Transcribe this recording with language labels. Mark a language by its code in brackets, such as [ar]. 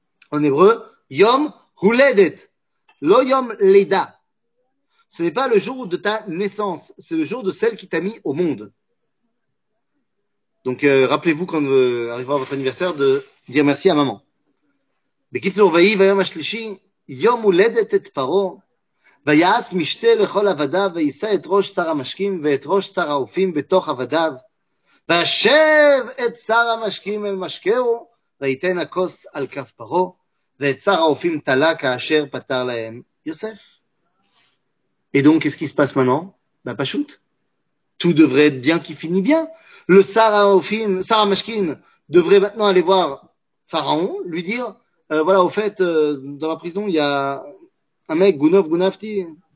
[fr] En hébreu, [he] Yom Huledet, lo Yom Leda. [fr] Ce n'est pas le jour de ta naissance, c'est le jour de celle qui t'a mis au monde. Donc, rappelez-vous quand arrivera votre anniversaire de dire merci à maman. [he] Bekitzur vayi vayom hashlishi, Yom Huledet et paro. ויעש משתה לכל עבדיו, ויישא את ראש שר המשקים ואת ראש שר האופים בתוך עבדיו, וישב את שר המשקים אל משקהו, ויתן הכוס על כף פרעה, ואת שר האופים תלה כאשר פתר להם יוסף. [fr] Et donc, qu'est-ce qui se passe maintenant? Bah, [he] פשוט. [fr] Tout devrait être bien qui finit bien. Le [he] שר האופים, שר המשקים, [fr] devrait maintenant aller voir Pharaon, lui dire, voilà, au fait, dans la prison, il y a un mec, [he] Gunov Gunavti.